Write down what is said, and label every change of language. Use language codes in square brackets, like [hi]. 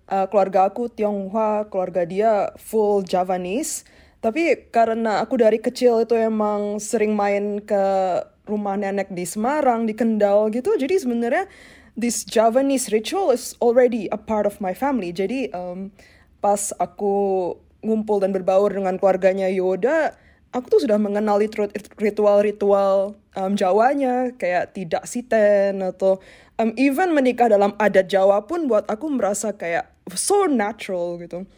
[id] Keluarga aku Tionghoa, keluarga dia full Javanese. Tapi karena aku dari kecil itu emang sering main ke rumah nenek di Semarang, di Kendal gitu. [en] Jadi sebenarnya this Javanese ritual is already a part of my family. [id] Jadi pas aku ngumpul dan berbaur dengan keluarganya Yoda, aku tuh sudah mengenali ritual-ritual Jawanya, kayak tidak siten atau even menikah dalam adat Jawa pun buat aku merasa kayak so natural gitu.